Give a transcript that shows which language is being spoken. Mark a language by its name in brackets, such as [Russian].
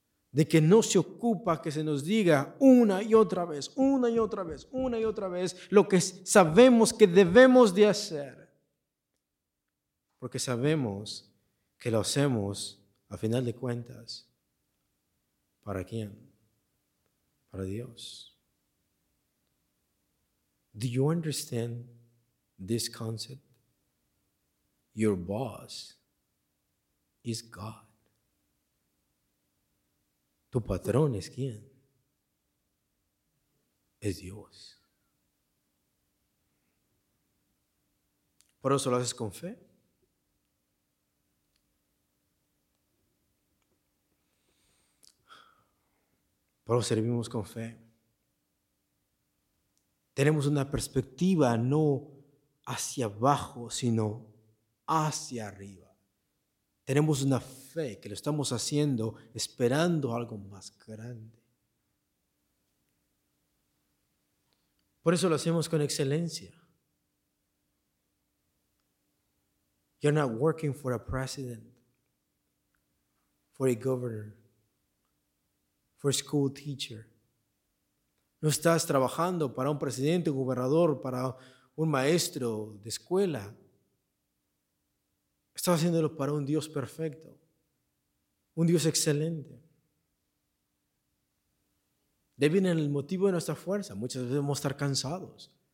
[Spanish] De que no se ocupa que se nos diga una y otra vez, una y otra vez, una y otra vez, lo que sabemos que debemos de hacer. Porque sabemos que lo hacemos, a final de cuentas, ¿para quién? Para Dios. [English] Do you understand this concept? Your boss is God. [Spanish] ¿Tu patrón es quién? Es Dios. ¿Por eso lo haces con fe? Por eso servimos con fe. Tenemos una perspectiva no hacia abajo, sino hacia arriba. Tenemos una fe que lo estamos haciendo esperando algo más grande. Por eso lo hacemos con excelencia. [English] You're not working for a president, for a governor, for a school teacher. [Spanish] No estás trabajando para un presidente, un gobernador, para un maestro de escuela. Estás haciéndolo para un Dios perfecto, un Dios excelente. De ahí viene el motivo de nuestra fuerza. Muchas veces vamos a estar cansados.